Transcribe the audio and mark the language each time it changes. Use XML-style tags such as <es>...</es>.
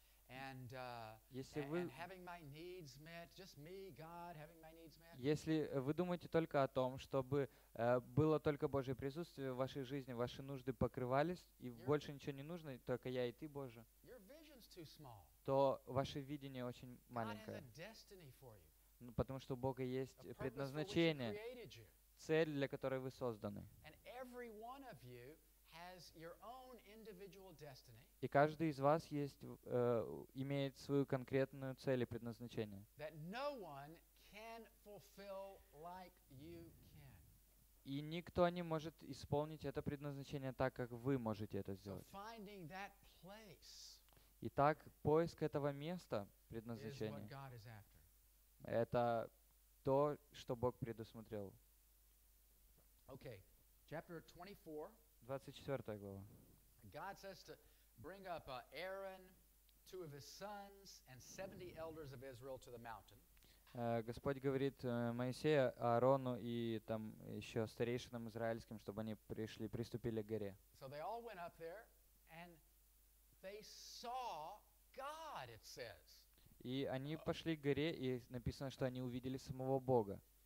<en>And,</en> <ru>если вы,</ru> <en>and having my needs met, just me, God, having my needs met.</en> <ru>Если вы думаете только о том, чтобы было только Божье присутствие в вашей жизни, ваши нужды покрывались, и больше ничего не нужно, только я и ты, Боже,</ru> <en>your vision's too small.</en> <ru>То ваше видение очень маленькое.</ru> <en>God has a destiny for you.</en> <ru>Ну, потому что у Бога есть предназначение, цель, для которой вы созданы.</ru> <en>And every one of you has your own individual destiny.</en> <ru>И каждый из вас есть имеет свою конкретную цель и предназначение.</ru> <en>That no one can fulfill like you can.</en> <ru>И никто не может исполнить это предназначение так, как вы можете это сделать.</ru> <en>So finding that place.</en> <ru>Итак, поиск этого места предназначения.</ru> <en>Is what God is after.</en> <ru>Это то, что Бог предусмотрел.</ru> <en>Okay. Chapter 24.</en> <ru>24 глава.</ru> <en>God says to bring up Aaron, two of his sons, and 70 elders of Israel to the mountain.</en> <ru>Господь говорит Моисею, Аарону и там еще старейшинам израильским, чтобы они пришли, приступили к горе.</ru> <en>So they all went up there, and they saw God. It says.</en> <ru>И они пошли к горе, и написано, что они увидели самого Бога.</ru>